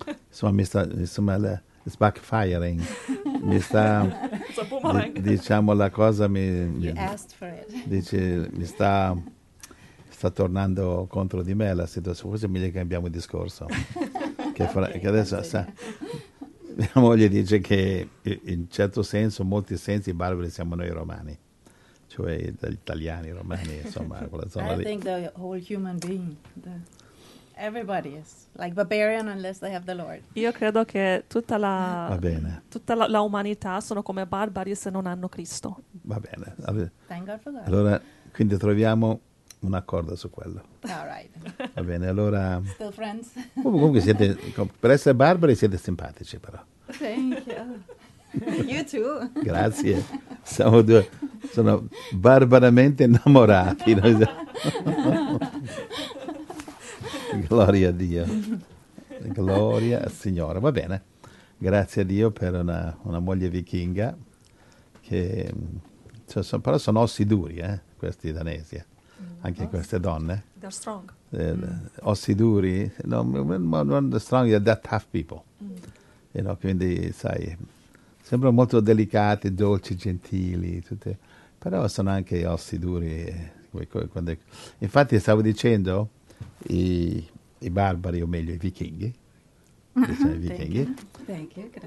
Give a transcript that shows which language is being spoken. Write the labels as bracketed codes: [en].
[en] Insomma, it's backfiring. [it] Mi sta, [en] it's a boomerang. [it] Diciamo la cosa mi... [en] You asked for it. [it] Dice, mi sta tornando contro di me la situazione. Forse è meglio che cambiamo il discorso. che adesso, mia moglie dice che in certo senso, in molti sensi, i barbari siamo noi romani. Cioè gli italiani, i romani, insomma, quella zona [en] lì. I think the whole human being, everybody is like barbarian unless they have the Lord. [it] Io credo che tutta la umanità sono come barbari se non hanno Cristo. Va bene. [en] Thank God for that. [it] Allora, quindi troviamo un accordo su quello. [en] All right. [it] Va bene, allora... [en] Still friends. [it] Comunque siete, per essere barbari siete simpatici però. [en] Thank you. You too. [it] Grazie. Siamo due. Sono barbaramente innamorati. Gloria a Dio. Gloria al Signore. Va bene. Grazie a Dio per una moglie vichinga. Però sono ossi duri, questi danesi. Anche queste donne. [en] They're strong. [it] Ossi duri. [en] Non strong, they're tough people. Mm. You know, [it] quindi, sai... Sembrano molto delicati, dolci, gentili, tutte, però sono anche ossi duri. Infatti stavo dicendo, i barbari, o meglio i vichinghi, diciamo, i vichinghi. [en] Thank you,